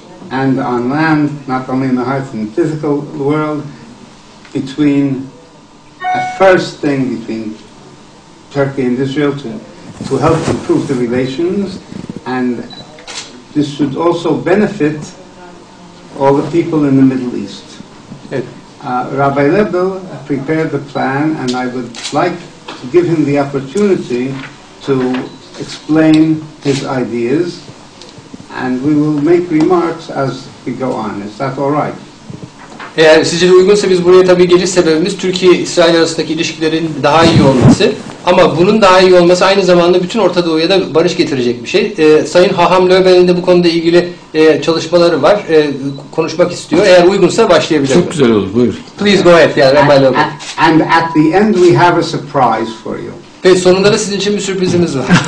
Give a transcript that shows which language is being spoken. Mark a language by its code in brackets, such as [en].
[en] and on land, not only in the hearts, in the physical world, between a first thing between Turkey and Israel to help improve the relations, and this should also benefit all the people in the Middle East. Rabbi Lebel prepared the plan, and I would like to give him the opportunity to explain his ideas, and we will make remarks as we go on. Is that all right? [tr] Eğer sizce uygunsa biz buraya tabii geliş sebebimiz Türkiye-İsrail arasındaki ilişkilerin daha iyi olması. Ama bunun daha iyi olması aynı zamanda bütün Orta Doğu'ya da barış getirecek bir şey. Sayın Haham Löbel'in de bu konuda ilgili çalışmaları var. Konuşmak istiyor. Eğer uygunsa başlayabilirim. Çok güzel olur. Buyur. [en] Please go ahead. Yani, and at the end we have a surprise for you. [tr] Ve sonunda da sizin için bir sürprizimiz var.